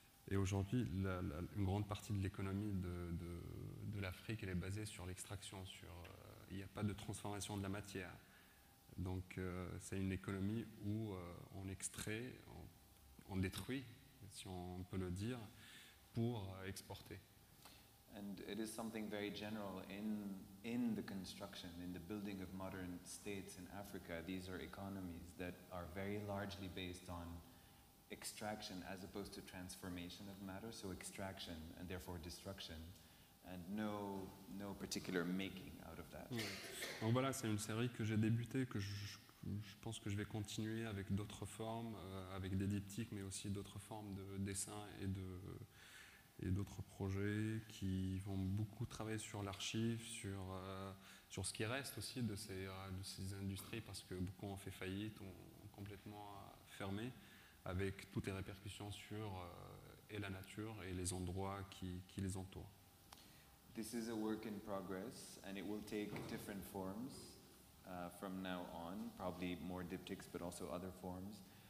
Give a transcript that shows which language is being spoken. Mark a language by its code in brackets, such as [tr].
[fr] Et aujourd'hui, une grande partie de l'économie de l'Afrique, elle est basée sur l'extraction. Il n'y a pas de transformation de la matière. Donc, c'est une économie où on extrait, on détruit, si on peut le dire, pour exporter. [en] And it is something very general in the construction, in the building of modern states in Africa. These are economies that are very largely based on extraction as opposed to transformation of matter, so extraction and therefore destruction, and no particular making out of that. [fr] Ouais. Donc voilà, c'est une série que j'ai débutée, que je pense que je vais continuer avec d'autres formes, avec des diptyques, mais aussi d'autres formes de dessin et d'autres projets qui vont beaucoup travailler sur l'archive, sur ce qui reste aussi de ces industries, parce que beaucoup ont fait faillite, ont complètement fermé, avec toutes les répercussions sur et la nature et les endroits qui les entourent. [en] This is a work in progress, and it will take different forms from now on, probably more diptychs, but also other forms.